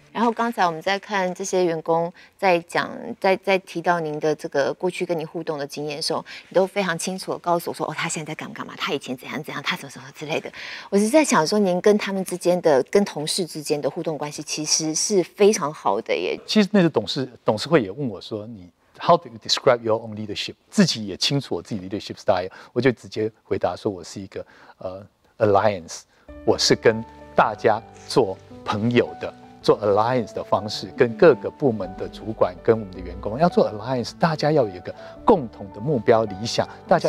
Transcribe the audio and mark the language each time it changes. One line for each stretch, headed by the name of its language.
Chinese: 然后刚才我们在看这些员工在讲，在提到您的这个过去跟你互动的经验的时候，你都非常清楚地告诉我说，哦，他现在在干嘛干嘛，他以前怎样怎样，他怎么怎么之类的。我是在想说，您跟他们之间的，跟同事之间的互动关系其实是非常好的耶。其实那个董事会也问我说，你
English: How do you describe your own leadership？
Chinese: 自己也清楚我自己 leadership style， 我就直接回答说，我是一个alliance， 我是跟大家做朋友的。做 alliance 的方式，跟各个部门的主管跟我们的员工要做 alliance， 大家要有一个共同的目标理想，大家